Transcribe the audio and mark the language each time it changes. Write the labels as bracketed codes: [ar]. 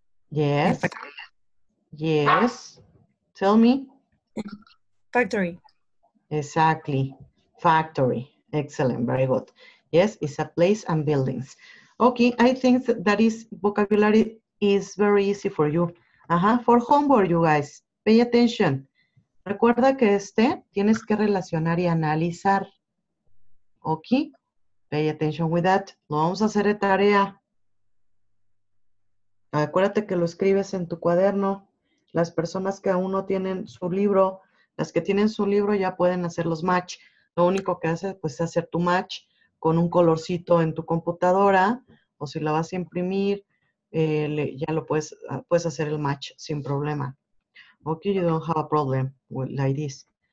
[en] Yes. Yes. Tell me. Factory. Exactly. Factory. Excellent. Very good. Yes, it's a place and buildings. Okay, I think that is vocabulary is very easy for you. For homework, you guys, pay attention. [es] Recuerda que este tienes que relacionar y analizar. [en] Ok, pay attention with that. [es] Lo vamos a hacer de tarea. Acuérdate que lo escribes en tu cuaderno. Las personas que aún no tienen su libro, las que tienen su libro ya pueden hacer los match. Lo único que haces pues, es hacer tu match con un colorcito en tu computadora o si la vas a imprimir. Ya lo puedes hacer el match sin problema. [en] Ok, you don't have a problem with like this.